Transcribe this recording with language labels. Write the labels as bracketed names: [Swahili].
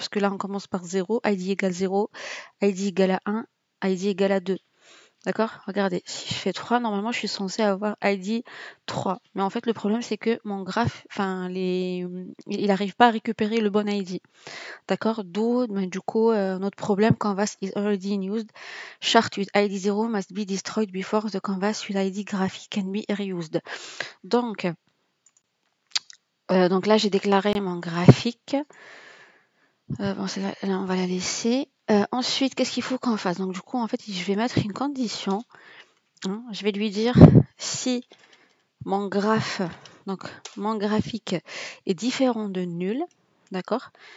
[French] Parce que là on commence par 0, ID égale 0, ID égale à 1, ID égale à 2. D'accord? Regardez, si je fais 3, normalement je suis censé avoir ID 3. Mais en fait le problème c'est que mon graphe, enfin il n'arrive pas à récupérer le bon ID. D'accord? D'où ben, du coup notre problème, [English] canvas is already used. Chart with ID 0 must be destroyed before the canvas with ID graphic can be reused. [French] Donc là j'ai déclaré mon graphique. Bon, celle-là, là, on va la laisser. Ensuite, qu'est-ce qu'il faut qu'on fasse? Donc, du coup, en fait, je vais mettre une condition. Hein, je vais lui dire si mon graphe, donc mon graphique est différent de nul. D'accord?